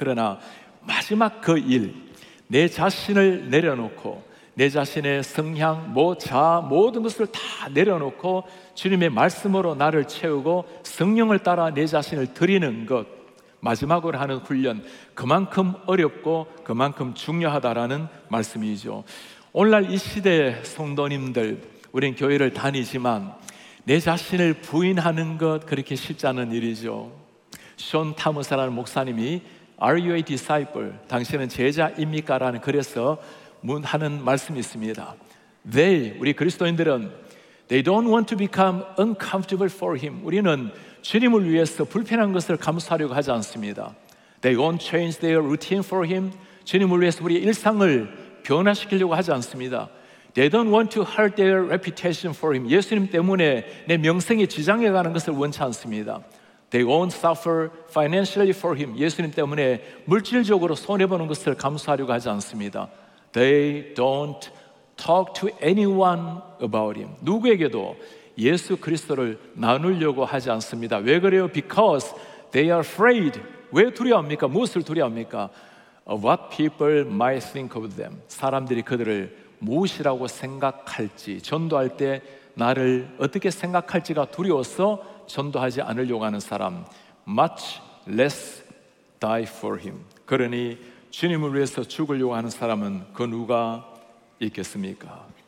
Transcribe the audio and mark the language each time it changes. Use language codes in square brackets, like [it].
[ko] 그러나 마지막 그 일, 내 자신을 내려놓고 내 자신의 성향, 자아, 모든 것을 다 내려놓고 주님의 말씀으로 나를 채우고 성령을 따라 내 자신을 드리는 것, 마지막으로 하는 훈련, 그만큼 어렵고 그만큼 중요하다라는 말씀이죠. 오늘날 이 시대의 성도님들, 우린 교회를 다니지만 내 자신을 부인하는 것 그렇게 쉽지 않은 일이죠. 숀 타무사라는 목사님이 [en] Are you a disciple? [ko] 당신은 제자입니까? 라는 글에서 문하는 말씀이 있습니다. [en] They, [ko] 우리 그리스도인들은 [en] They don't want to become uncomfortable for him. [ko] 우리는 주님을 위해서 불편한 것을 감수하려고 하지 않습니다. [en] They won't change their routine for him. [ko] 주님을 위해서 우리의 일상을 변화시키려고 하지 않습니다. [en] They don't want to hurt their reputation for him. [ko] 예수님 때문에 내 명성이 지장해 가는 것을 원치 않습니다. [en] They won't suffer financially for him. [ko] 예수님 때문에 물질적으로 손해보는 것을 감수하려고 하지 않습니다. [en] They don't talk to anyone about him. [ko] 누구에게도 예수 그리스도를 나누려고 하지 않습니다. 왜 그래요? [en] Because they are afraid. [ko] 왜 두려워합니까? 무엇을 두려워합니까? [en] Of what people might think of them. [ko] 사람들이 그들을 무엇이라고 생각할지, 전도할 때 나를 어떻게 생각할지가 두려워서 전도하지 않으려고 하는 사람. [en] Much less die for him. [ko] 그러니 주님을 위해서 죽으려고 하는 사람은 그 누가 있겠습니까?